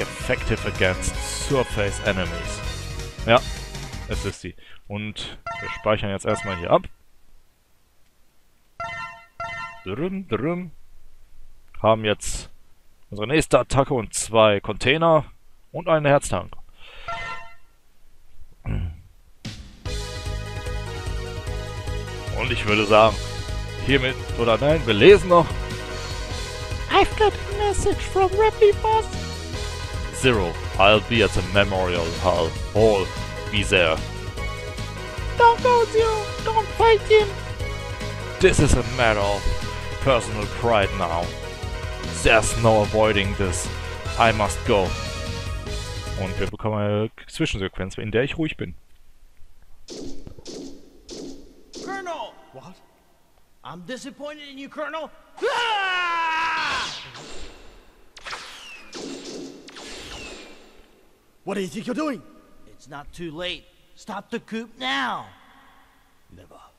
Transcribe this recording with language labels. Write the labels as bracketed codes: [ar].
[en] Effective against Surface Enemies. [de] Ja, es ist sie. Und wir speichern jetzt erstmal hier ab. Drüm, drüm. Haben jetzt unsere nächste Attacke und zwei Container und einen Herztank. Und ich würde sagen, hiermit, oder nein, wir lesen noch. [en] I've got a message from Rappy Boss. Zero, I'll be at the Memorial Hall. All be there. Don't go, Zero. Don't fight him. This is a matter of personal pride now. There's no avoiding this. I must go. [de] Und wir bekommen eine Zwischensequenz, in der ich ruhig bin. [en] Colonel! What? I'm disappointed in you, Colonel! What do you think you're doing? It's not too late. Stop the coup now! Never.